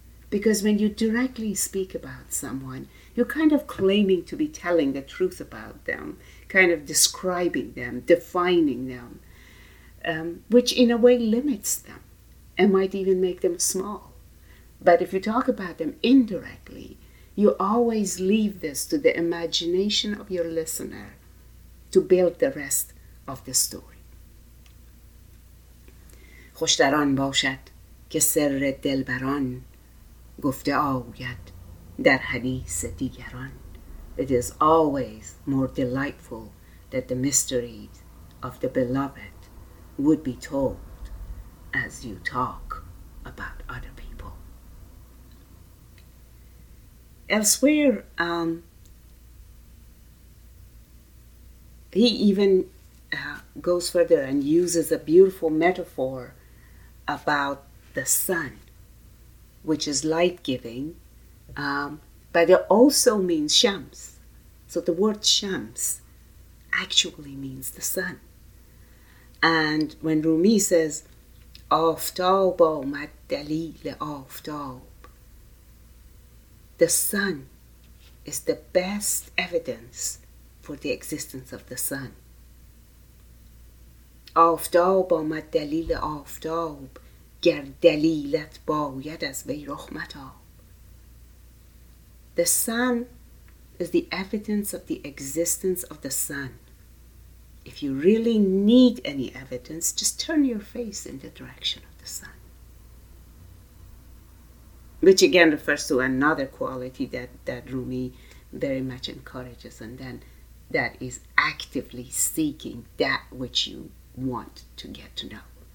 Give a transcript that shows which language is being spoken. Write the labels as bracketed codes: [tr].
[en] Because when you directly speak about someone, you're kind of claiming to be telling the truth about them, kind of describing them, defining them, which in a way limits them. And might even make them small. But if you talk about them indirectly, you always leave this to the imagination of your listener to build the rest of the story. [fa] خوشتران باشد که سر دلبران گفته آوید در حدیث دیگران. [en] It is always more delightful that the mysteries of the beloved would be told as you talk about other people. Elsewhere, he even goes further and uses a beautiful metaphor about the sun, which is light-giving, but it also means Shams. So the word Shams actually means the sun. And when Rumi says, [fa] آفتاب آمد دلیل آفتاب. [en] The sun is the best evidence for the existence of the sun. [fa] آفتاب آمد دلیل آفتاب گر دلیلت باید از وی رحمت آب. [en] The sun is the evidence of the existence of the sun. If you really need any evidence, just turn your face in the direction of the sun. Which again refers to another quality that Rumi very much encourages, and then that is actively seeking that which you want to get to know.